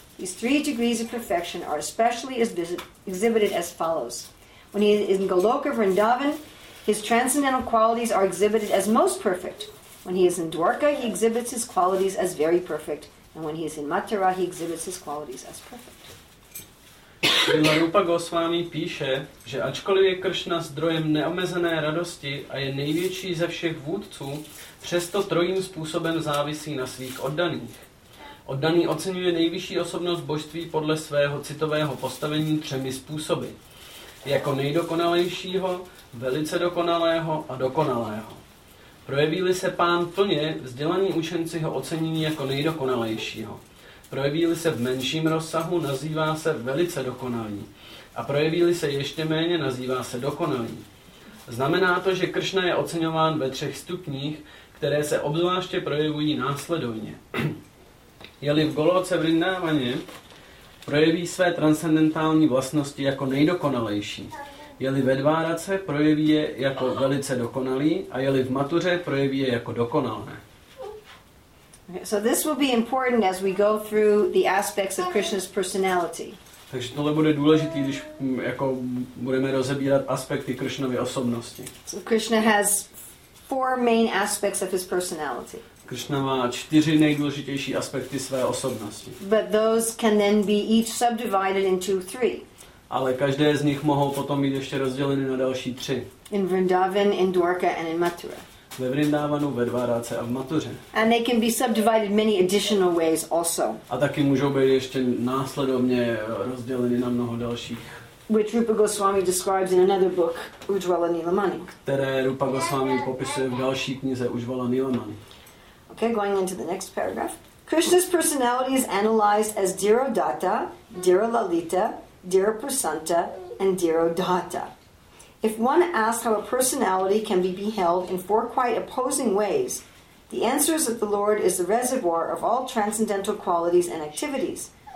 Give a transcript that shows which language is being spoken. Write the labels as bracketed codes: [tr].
[en] These three degrees of perfection are especially exhibited as follows. When he is in Goloka Vrindavan, his transcendental qualities are exhibited as most perfect. When he is in Dwarka, he exhibits his qualities as very perfect. And when he is in Mathura, he exhibits his qualities as perfect. [cs] Srila Rupa Goswami píše, že ačkoliv je Kršna zdrojem neomezené radosti a je největší ze všech vůdců, přesto trojím způsobem závisí na svých oddaných. Oddaný oceňuje nejvyšší osobnost božství podle svého citového postavení třemi způsoby. Jako nejdokonalejšího, velice dokonalého a dokonalého. Projeví-li se pán plně, vzdělaní učenci ho ocení jako nejdokonalejšího. Projeví-li se v menším rozsahu, nazývá se velice dokonalý. A projeví-li se ještě méně, nazývá se dokonalý. Znamená to, že Kršna je oceňován ve třech stupních, které se obzvláště projevují následovně. Je-li v Goloce Vrindávaně, projeví své transcendentální vlastnosti jako nejdokonalejší. Je-li ve Dvárace, projeví je jako velice dokonalý a je-li v Mathuře, projeví je jako dokonalé. [en] Okay, so this will be important as we go through the aspects of Krishna's personality. [cs] Takže tohle bude důležitý, když jako budeme rozebírat aspekty Krishnovy osobnosti. [en] So Krishna has four main aspects of his personality. [cs] Krishna má čtyři nejdůležitější aspekty své osobnosti. [en] But those can then be each subdivided into three. [cs] Ale každé z nich mohou potom být ještě rozděleny na další tři. [en] In Vrindavan, in Dwarka, and in Mathura. [cs] ve Vrindávanu, ve Dvaráce a v Matuře. [en] And they can be subdivided many additional ways also. [cs] A taky můžou být ještě následovně rozděleny na mnoho dalších. [en] Which Rupa Goswami describes in another book, Ujjvala Nilamani. [cs] Které Rupa Goswami popisuje v další knize Ujjvala Nilamani. [en] Okay, going into the next paragraph. Krishna's personality is analyzed as Dhirodatta, Dhiralalita, Dhiraprasanta, and Dhirodatta. If one asks how a personality can be beheld in four quite opposing ways, the answer is that the Lord is the reservoir of all transcendental qualities and activities.